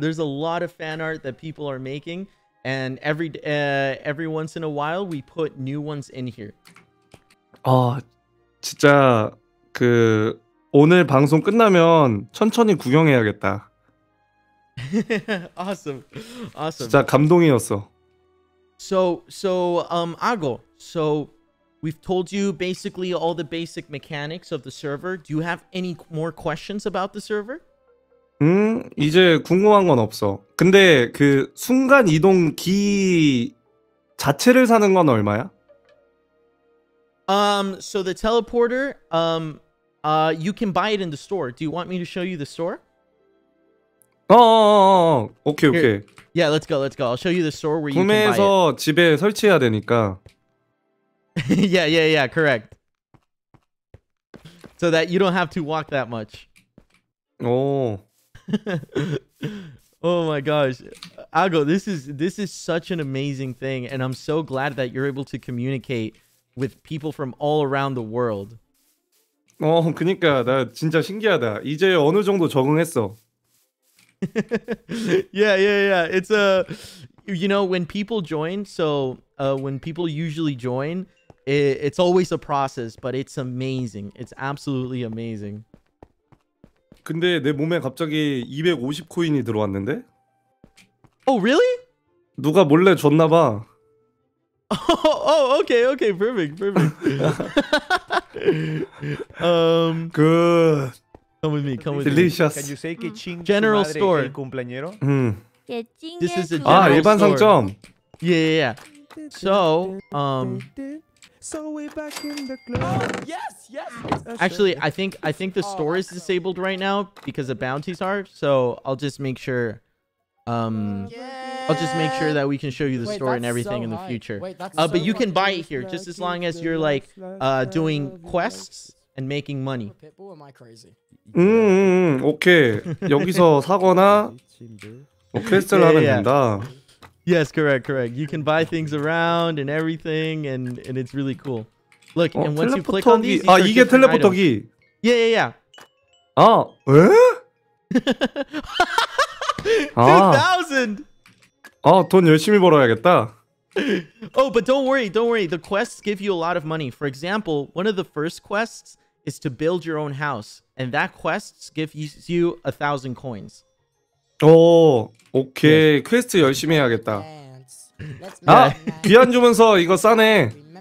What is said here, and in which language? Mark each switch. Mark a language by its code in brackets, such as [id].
[en] There's a lot of fan art that people are making, and every once in a while we put new ones in here. [ko] Oh, 진짜. 그 오늘 방송 끝나면 천천히 구경해야겠다. [en] Awesome. Awesome. [ko] 진짜 감동이었어. [en] So Ago, so we've told you basically all the basic mechanics of the server. Do you have any more questions about the server? [ko] 이제 궁금한 건 없어. 근데 그 순간 이동기 자체를 사는 건 얼마야? [en] So the teleporter, you can buy it in the store. Do you want me to show you the store? Oh, okay, okay. Here. Yeah, let's go. I'll show you the store where you can buy it. [ko] 구매해서 집에 설치해야 되니까. [en] Yeah, correct. So that you don't have to walk that much. Oh. Oh my gosh. Ago, this is such an amazing thing, and I'm so glad that you're able to communicate with people from all around the world. [ko] 그러니까 나 진짜 신기하다. 이제 어느 정도 적응했어. [en] Yeah. It's a, you know, when people join, so when people usually join, it's always a process, but it's amazing. It's absolutely amazing. [ko] 근데 내 몸에 갑자기 250 코인이 들어왔는데? [en] Oh, really? [ko] 누가 몰래 줬나 봐. [en] Oh, okay, perfect. Good. Come with me, Delicious. Can you say ke-ching general store? [es] Cumpleañero? [en] This is a general store. [ko] 일반 상점. [en] Yeah. So, So we're back in the club. Oh, yes. Actually, I think the store is disabled right now because the bounties are, so I'll just make sure. I'll just make sure that we can show you the store and everything in the future. But you can buy it here just as long as you're like doing quests and making money. Am I crazy? Okay. [ko] 여기서 사거나 퀘스트를 하면 된다. [en] Yes, correct. You can buy things around and everything, and it's really cool. Look, and once you click on these, [ko] 이게 텔레포터기. [en] Yeah. Oh, eh? 2000. [ko] Oh, 돈 열심히 벌어야겠다. [en] Oh, but don't worry. The quests give you a lot of money. For example, one of the first quests is to build your own house, and that quest gives you 1,000 coins. Oh, okay. Yes. [ko] 퀘스트 열심히 해야겠다. 아, 귀한 주문서 이거 싸네.